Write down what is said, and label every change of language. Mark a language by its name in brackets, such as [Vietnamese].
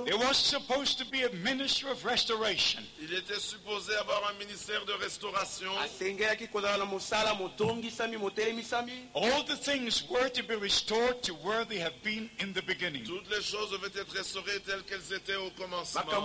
[English] there was supposed to be a ministry of restoration. [French] Il était supposé avoir un ministère de restauration. [English] All the things were to be restored to where they have been in the beginning. [French] Toutes les choses devaient être restaurées telles qu'elles étaient au commencement.